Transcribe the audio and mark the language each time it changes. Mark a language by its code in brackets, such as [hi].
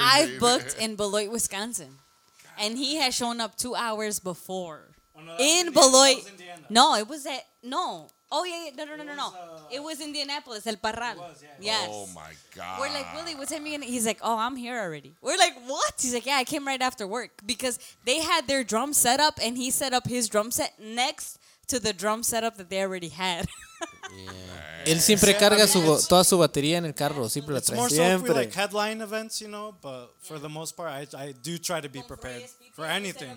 [en] I booked in Beloit, Wisconsin. And he has shown up 2 hours before. In Beloit. No, it was at... No. Oh, yeah. No. It was Indianapolis, El Parral. Yes. Oh, my God. We're like, Willie, what's happening? He's like, oh, I'm here already. We're like, what? He's like, yeah, I came right after work. Because they had their drum set up, and he set up his drum set next to the drum setup that they already had. [es] Él siempre carga toda su batería en el carro. Siempre la trae. [en] It's more so if we like headline events, you know, but for the most part, I do try to be prepared for anything.